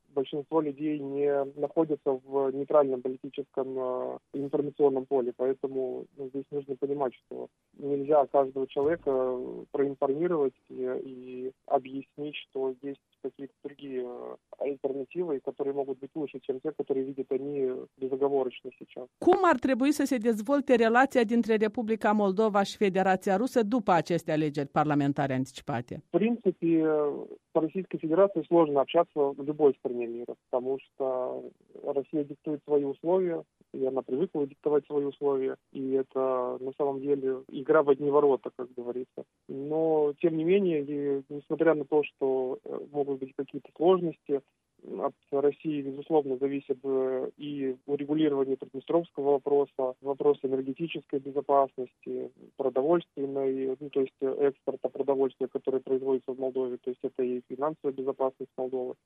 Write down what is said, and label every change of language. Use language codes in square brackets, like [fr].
[ru] Большинство людей не находятся в нейтральном политическом информационном поле, поэтому, ну, здесь нужно понимать, что нельзя каждого человека проинформировать и объяснить, что есть какие-то другие альтернативы, которые могут быть лучше, чем те, которые видят они безоговорочно сейчас. [ro] Cum ar trebui să se dezvolte relația dintre Republica Moldova și Federația Rusă după aceste alegeri parlamentare anticipate? [ru] В принципе, по Российской Федерации сложно общаться в любой стране мира, потому что Россия диктует свои условия, и она привыкла диктовать свои условия, и это на самом деле игра в одни ворота, как говорится. Но, тем не менее, несмотря на то, что могут быть какие-то сложности, от России, безусловно, зависит и урегулирование Приднестровского вопроса, вопрос энергетической безопасности, продовольственной, ну, то есть экспорта продовольствия, которое производится в Молдове, то есть это и финансовая безопасность Молдовы.